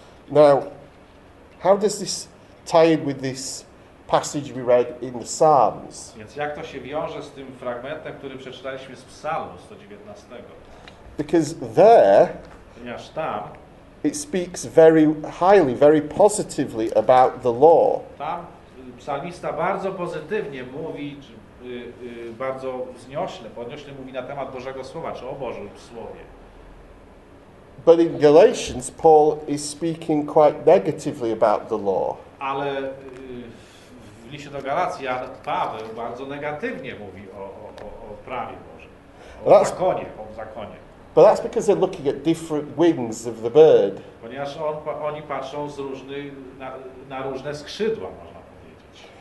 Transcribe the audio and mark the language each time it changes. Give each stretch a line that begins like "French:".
English: Now, how does this tie in with this passage we read in the Psalms?
Polish: Więc jak to się wiąże z tym fragmentem, który przeczytaliśmy z Psalmu 119?
English: Because there,
Polish: ponieważ tam,
English: it speaks very highly, very positively about the law.
Polish: Tam psalmista bardzo pozytywnie mówi, bardzo podniośle mówi na temat Bożego Słowa, czy o Bożym Słowie.
English: But in Galatians, Paul is speaking quite negatively about the law.
Polish: Ale w liście do Galacjan Paweł bardzo negatywnie mówi o prawie Bożym, o zakonie.
English: But that's because they're looking at different wings of the bird.
Polish: Ponieważ oni patrzą na różne skrzydła, można powiedzieć.